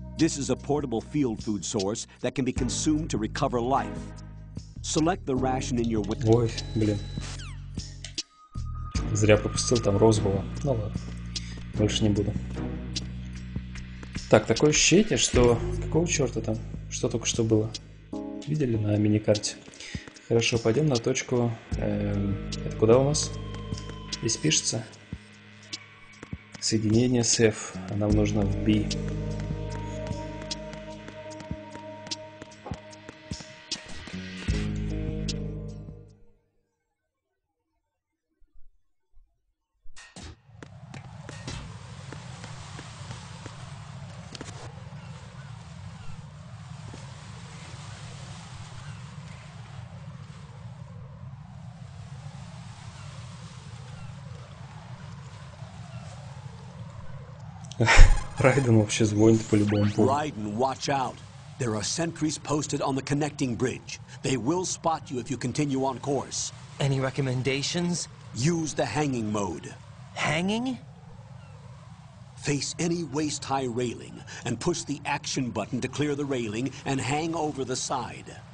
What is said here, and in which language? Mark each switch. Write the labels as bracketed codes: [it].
[en] This is a portable field food source that can be consumed to recover life. Select the ration in your... [ru] Ой, блин. Зря пропустил, там роза была. Ну ладно, больше не буду. Так, такое ощущение, что... Какого черта там? Что только что было? Видели на мини-карте? Хорошо, пойдем на точку... это куда у нас? Здесь пишется. Соединение с F. А нам нужно в B. Райден вообще звонит по любому поводу. [en] Райден, watch out. There are sentries posted on the connecting bridge. They will spot you if you continue on course. Any recommendations? Use the hanging mode. Hanging? Face any waist-high railing and push the action button to clear the railing and hang over the side.